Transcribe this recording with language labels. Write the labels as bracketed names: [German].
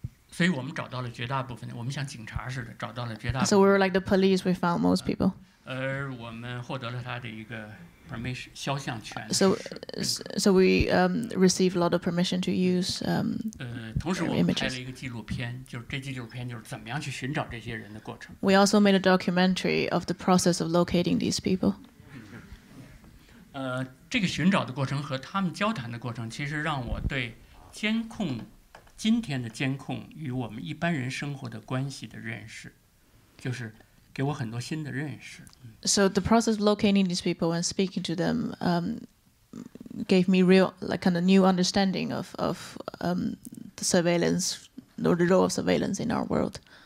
[Chinese] 所以我们找到了绝大部分的，我们像警察似的找到了绝大部分。 [English] So we were like the police, we found most people. [Chinese] 而我们获得了他的一个 permission, 肖像权。 [English] So we received a lot of permission to use images. [Chinese] 同时我们拍了一个纪录片，就是这纪录片就是怎么样去寻找这些人的过程。 [English] We also made a documentary of the process of locating these people. [Chinese] 这个寻找的过程和他们交谈的过程，其实让我对监控，今天的监控与我们一般人生活的关系的认识，就是给我很多新的认识。 [English] So the process of locating these people and speaking to them gave me real, like kind of new understanding of the surveillance or the role of surveillance in our world.